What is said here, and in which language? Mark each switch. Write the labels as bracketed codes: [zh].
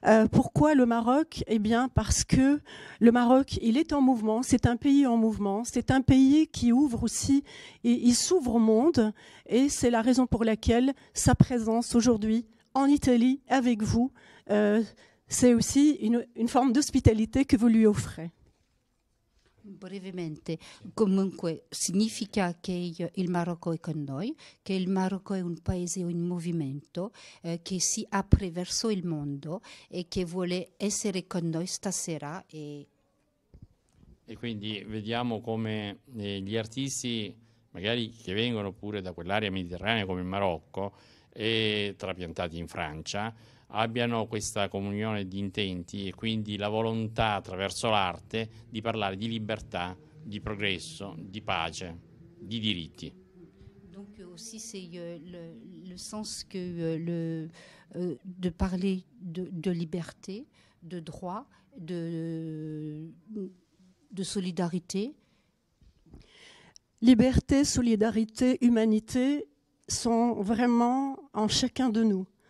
[fr] Pourquoi le Maroc? Eh bien, parce que le Maroc, il est en mouvement, c'est un pays en mouvement, c'est un pays qui ouvre aussi et il s'ouvre au monde et c'est la raison pour laquelle sa présence aujourd'hui en Italie avec vous, c'est aussi une forme d'hospitalité que vous lui offrez. [it] Brevemente, comunque, significa che il Marocco è con noi, che il Marocco è un paese in movimento, che si apre verso il mondo e che vuole essere con noi stasera. E quindi vediamo come gli artisti, magari che vengono pure da quell'area mediterranea come il Marocco e trapiantati in Francia, abbiano questa comunione di intenti e quindi la volontà attraverso l'arte di parlare di libertà, di progresso, di pace, di diritti. [fr] Aussi, c'est le sens de parler de liberté, de droit, de solidarité. Liberté, solidarité, humanité sont vraiment en chacun de nous.